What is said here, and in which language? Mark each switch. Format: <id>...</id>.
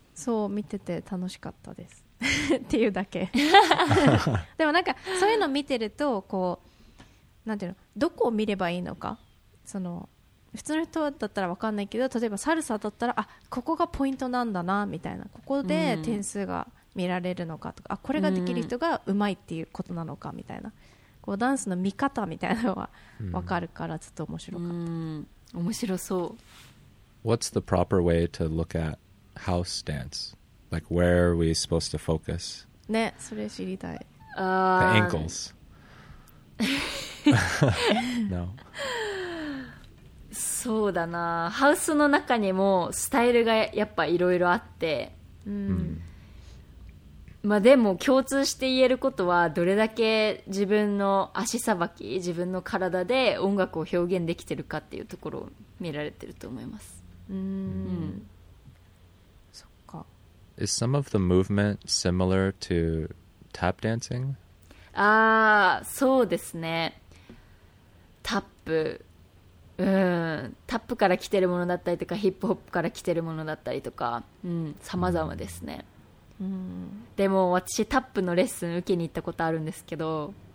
<ja>そう、見てて楽しかったですっていうだけでもなんかそういうの見てるとこうなんていうの、どこを見ればいいのか、その普通の人だったら分かんないけど、例えばサルサだったら、あ、ここがポイントなんだなみたいな、ここで点数が、うん、見られるのかとか、あ、これができる人がうまいっていうことなのかみたいな、こうダンスの見方みたいなのは分かるから、ちょっと面白かった。面白そう。</ja> <en>What's the proper way to look at house dance? Like where are we supposed to focus?</en> <ja>ね、それ知りたい。</ja> <en>The ankles. No.</en> <ja>そうだな。ハウスの中にもスタイルがやっぱいろいろあって。まあ、でも共通して言えることは、どれだけ自分の足さばき、自分の体で音楽を表現できてるかっていうところを見られてると思います。そっか。</ja> <en>Is some of the movement similar to tap dancing?</en> <ja>あ、そうですね、タップ、タップから来てるものだったりとか、ヒップホップから来てるものだったりとか、さまざまですね。でも私タップのレッスン受けに行ったことあるんですけど、</ja>